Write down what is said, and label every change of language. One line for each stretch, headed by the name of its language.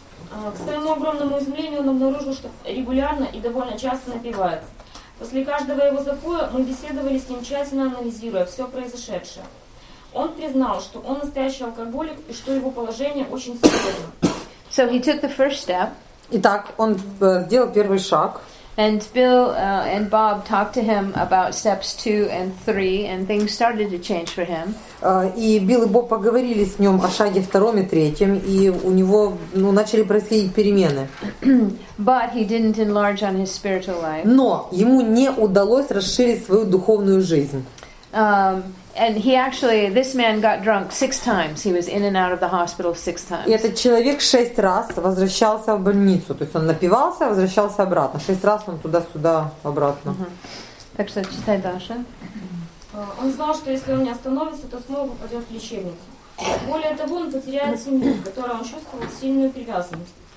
Russian: К своему огромному изумлению он обнаружил, что регулярно и довольно часто напивается. После каждого его запоя мы беседовали с ним, тщательно анализируя все произошедшее. Он признал, что он настоящий алкоголик и что его положение очень серьезно.
English: So he took the first step.
Russian: Итак, он сделал первый шаг.
English: And Bill and Bob talked to him about steps 2 and 3, and things started to change for him.
Russian: И Билл и Боб поговорили с ним о шаге втором и третьем, и у него, ну, начали происходить перемены.
English: But he didn't enlarge on his spiritual life.
Russian: Но ему не удалось расширить свою духовную жизнь.
English: And he actually, this man got drunk 6 times. He was in and out of the hospital 6 times.
Russian: И этот человек 6 раз возвращался в больницу. То есть он напивался, возвращался обратно. 6 раз он туда-сюда, обратно. Так что читай дальше. Он знал, что если он не остановится, то снова попадет в лечебницу. Более того, он потеряет семью, в которой он чувствовал сильную привязанность.